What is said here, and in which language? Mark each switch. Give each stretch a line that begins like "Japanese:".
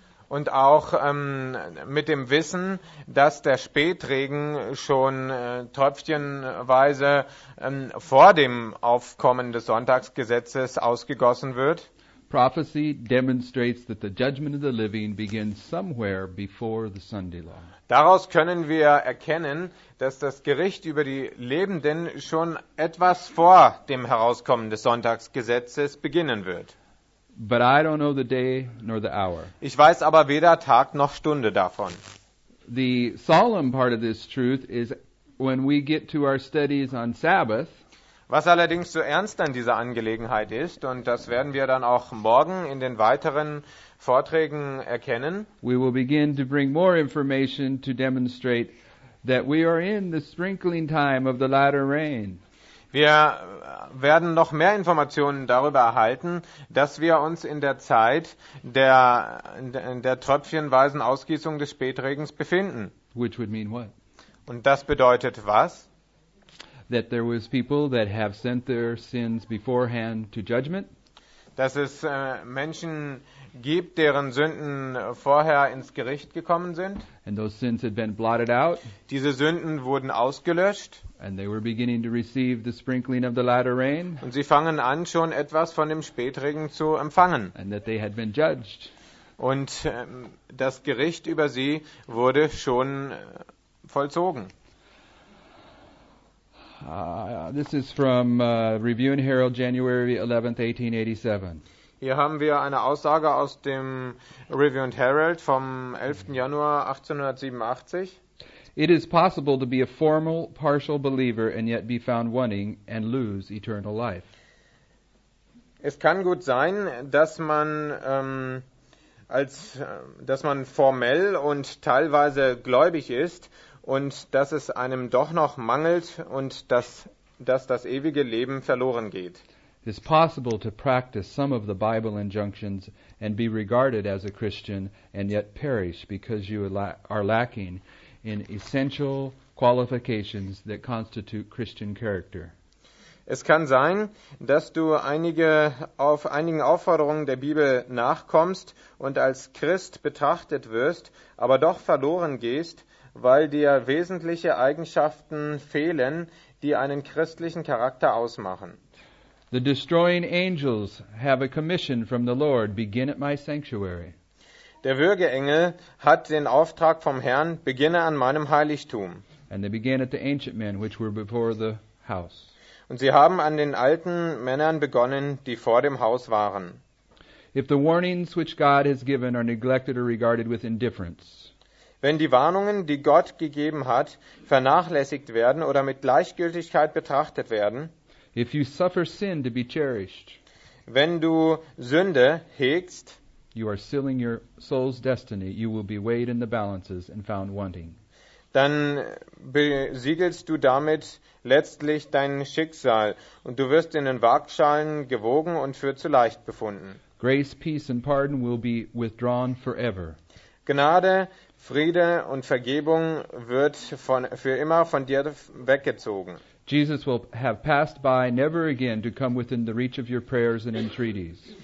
German: Und auch mit dem Wissen, dass der Spätregen schon tröpfchenweise vor dem Aufkommen des Sonntagsgesetzes ausgegossen wird.
English: Prophecy demonstrates that the judgment of the living begins somewhere before the Sunday law.
German: Daraus können wir erkennen, dass das Gericht über die Lebenden schon etwas vor dem Herauskommen des Sonntagsgesetzes beginnen wird.
English: But I don't know the day nor the hour.
German: Ich weiß aber weder Tag noch Stunde davon.
English: The solemn part of this truth is when we get to our studies on Sabbath.
German: Was allerdings so ernst an dieser Angelegenheit ist, und das werden wir dann auch morgen in den weiteren Vorträgen erkennen,
English: we will begin to bring more information to demonstrate that we are in the sprinkling time of the latter rain.
German: Wir werden noch mehr Informationen darüber erhalten, dass wir uns in der Zeit der tröpfchenweisen Ausgießung des Spätregens befinden.
English: Which would mean what?
German: Und das bedeutet was?
English: That there was people that have sent their sins beforehand to judgment.
German: Dass es Menschen gibt, deren Sünden vorher ins Gericht gekommen sind.
English: And those sins had been blotted out.
German: Diese Sünden wurden ausgelöscht.
English: And they were beginning to receive the sprinkling of the latter rain.
German: Und sie fangen an, schon etwas von dem Spätregen zu empfangen.
English: And that they had been judged.
German: Und das Gericht über sie wurde schon vollzogen.
English: This is from Review and Herald, January 11th, 1887.
German: Hier haben wir eine Aussage aus dem Review and Herald vom 11. Januar 1887.
English: It is possible to be a formal, partial believer and yet be found wanting and lose eternal life.
German: Es kann gut sein, dass man dass man formell und teilweise gläubig ist und dass es einem doch noch mangelt und dass das ewige Leben verloren geht.
English: It is possible to practice some of the Bible injunctions and be regarded as a Christian and yet perish because you are lacking in essential qualifications that constitute Christian character.
German: Es kann sein, dass du einigen Aufforderungen der Bibel nachkommst und als Christ betrachtet wirst, aber doch verloren gehst, weil dir wesentliche Eigenschaften fehlen, die einen christlichen Charakter ausmachen.
English: The destroying angels have a commission from the Lord, begin at my sanctuary.
German: Der Würgeengel hat den Auftrag vom Herrn, beginne an meinem Heiligtum.
English: And they began at the ancient men which were before the house.
German: Und sie haben an den alten Männern begonnen, die vor dem Haus waren.
English: If the warnings which God has given are neglected or regarded with indifference.
German: Wenn die Warnungen, die Gott gegeben hat, vernachlässigt werden oder mit Gleichgültigkeit betrachtet werden.
English: If you suffer sin to be cherished.
German: Wenn du Sünde hegst,
English: you are sealing your soul's destiny. You will be weighed in the balances and found wanting.
German: Dann besiegelst du damit letztlich dein Schicksal und du wirst in den Waagschalen gewogen und für zu leicht befunden.
English: Grace, peace and pardon will be withdrawn forever.
German: Gnade, Friede und Vergebung wird für immer von dir weggezogen.
English: Jesus will have passed by never again to come within the reach of your prayers and entreaties.